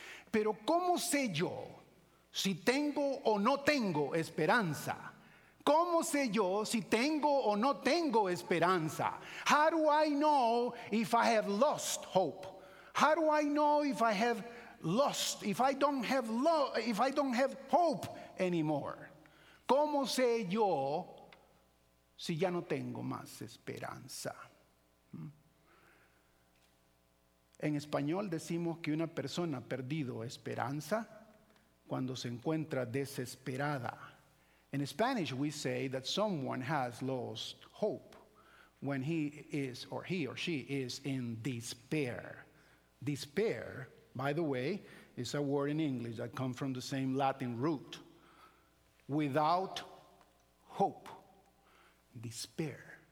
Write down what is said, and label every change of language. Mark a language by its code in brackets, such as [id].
[es] Pero ¿cómo sé yo si tengo o no tengo esperanza? ¿Cómo sé yo si tengo o no tengo esperanza? [en] How do I know if I have lost hope? How do I know if I have lost, if I don't have hope anymore? [es] ¿Cómo sé yo si ya no tengo más esperanza? En español decimos que una persona ha perdido esperanza cuando se encuentra desesperada. [en] In Spanish we say that someone has lost hope when he is or she is in despair. Despair, by the way, is a word in English that comes from the same Latin root. Without hope. Despair.